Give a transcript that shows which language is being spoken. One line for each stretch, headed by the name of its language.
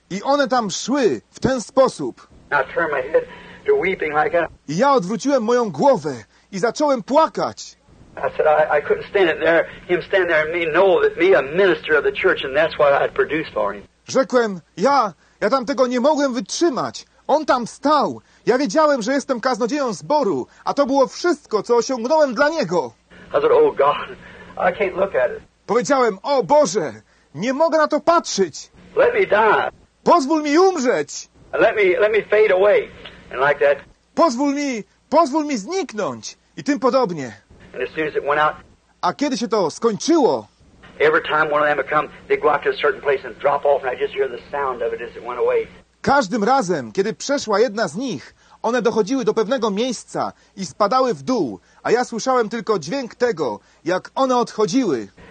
Polish: I one tam szły w ten sposób.
English: I turned my head to weeping like that.
Polish: I ja odwróciłem moją głowę i zacząłem płakać.
English: I said, I couldn't stand it there. Him stand there and me know that me a minister of the church and that's what I'd produced for him.
Polish: Rzekłem, ja tam tego nie mogłem wytrzymać. On tam stał. Ja wiedziałem, że jestem kaznodzieją zboru, a to było wszystko, co osiągnąłem dla niego.
English: I said, oh God, I can't look at it.
Polish: Powiedziałem, o Boże, nie mogę na to patrzeć.
English: Let me die.
Polish: Pozwól mi umrzeć.
English: Let me fade away. And like that.
Polish: Pozwól mi zniknąć. I tym podobnie.
English: And as soon as it went out,
Polish: a kiedy się to skończyło,
English: every time one of them would come, they'd go out to a certain place and drop off, and I just hear the sound of it as it went away.
Polish: Każdym razem, kiedy przeszła jedna z nich, one dochodziły do pewnego miejsca i spadały w dół, a ja słyszałem tylko dźwięk tego, jak one odchodziły.